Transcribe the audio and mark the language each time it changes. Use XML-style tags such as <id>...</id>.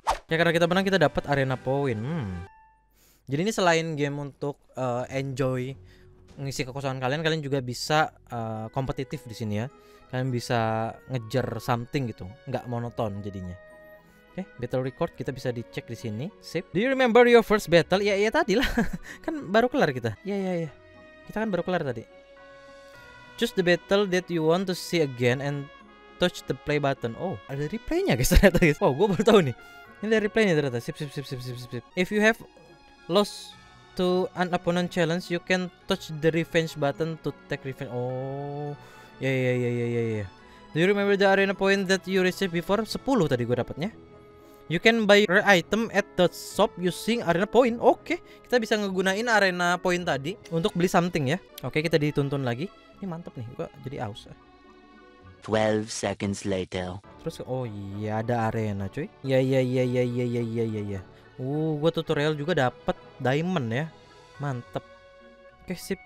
<id>Ya karena kita menang, kita dapat arena point. Jadi ini selain game untuk enjoy ngisi kekosongan kalian, kalian juga bisa kompetitif di sini ya. Kalian bisa ngejar something gitu, nggak monoton jadinya. Oke, battle record kita bisa dicek di sini. Sip.</id> <en>Do you remember your first battle?</en> <id>Ya tadi lah. Kan baru kelar kita. Ya. Kita kan baru kelar tadi.</id> <en>Choose the battle that you want to see again and touch the play button.</en> <id>Oh, ada replaynya guys ternyata guys. Oh, gue baru tahu nih. Ini ada replaynya ternyata. Sip.</id> <en>If you have lost to an opponent challenge, you can touch the revenge button to take revenge. Oh, yeah. Do you remember the arena point that you received before?</en> <id>10 tadi gue dapatnya.</id> <en>You can buy rare item at the shop using arena point.</en> <id>Oke, kita bisa ngegunain arena point tadi untuk beli something ya. Oke, kita dituntun lagi. Ini mantep nih, gue jadi aus.</id> <en>12 seconds later.</en> <id>Terus, oh iya ada arena cuy. Iya. Gue tutorial juga dapat diamond ya. Mantep. Oke, sip.</id>